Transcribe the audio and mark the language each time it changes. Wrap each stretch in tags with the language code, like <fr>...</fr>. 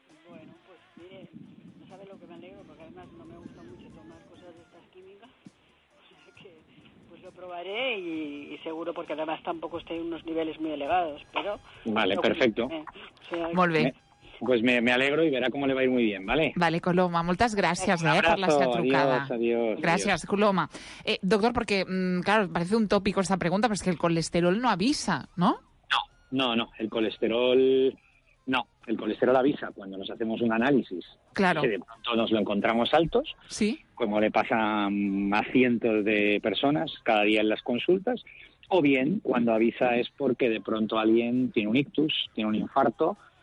<es>Bueno, pues mire, no sabe lo que me alegro, porque además no me gusta mucho tomar cosas de estas químicas, o sea que pues lo probaré y seguro, porque además tampoco estoy en unos niveles muy elevados, pero... Vale, no, perfecto. Muy bien. Pues me alegro y verá cómo le va a ir muy bien, ¿vale?</es> <ca>Vale, Coloma, moltes gràcies,</ca> <es>abrazo,</es> <ca>per la seva trucada.</ca> <es>Adiós, adiós.</es> <ca>Gràcies,</ca> <es>adiós. Coloma. Doctor,</es> <ca>perquè,</ca> <es>claro, parece un tópico esta pregunta,</es> <ca>però és que</ca> <es>el colesterol no avisa, ¿no? No, el colesterol... No, el colesterol avisa cuando nos hacemos un análisis. Claro. Que de pronto nos lo encontramos altos. Sí. Como le pasa a cientos de personas cada día en las consultas. O bien, cuando avisa es porque de pronto alguien tiene un ictus, tiene un infarto...</es>